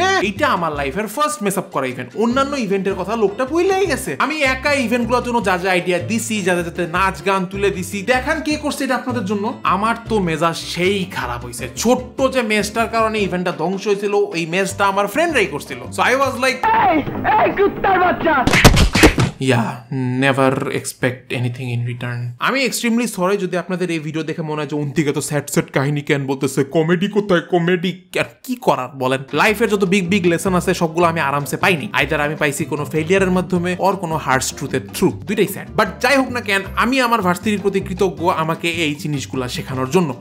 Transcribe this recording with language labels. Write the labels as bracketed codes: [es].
[bn] এটা আমার লাইফের ফার্স্ট মেস আপ করা ইভেন্ট, অন্যান্য ইভেন্টের কথা লোকটা ভুলেই গেছে। আমি একা ইভেন্টগুলোর জন্য যা যা আইডিয়া দিছি, যা যা নাচ গান তুলে দিছি, দেখেন কে করছে এটা আপনাদের জন্য। আমার তো মেজাজ সেই খারাপ হয়েছে, ছোট্ট যে মেসটার কারণে ইভেন্টটা ধ্বংস হয়েছিল ওই মেসটা আমার ফ্রেন্ডরাই করছিল। [en] so I was like, [bn] এই কুত্তার বাচ্চা, [en] Yeah, never expect anything in return. [bn] আমি এক্সট্রিমলি সরি যদি আপনাদের এই ভিডিও দেখে মনে হয় যে অন্তিকে তো স্যাড স্যাড কাহিনী কেন বলতেছে, কমেডি কোথায়, কমেডি কি করার বলেন। লাইফের যত বিগ বিগ লেসন আছে সবগুলো আমি আরামসে পাইনি, আইদার আমি পাইছি কোনো ফেলিয়ারের মাধ্যমে অর কোনো হার্স ট্রুথের থ্রু, দুইটাই স্যাড। বাট যাই হোক না কেন, আমি আমার ভার্সিটির প্রতি কৃতজ্ঞ আমাকে এই জিনিসগুলো শেখানোর জন্য।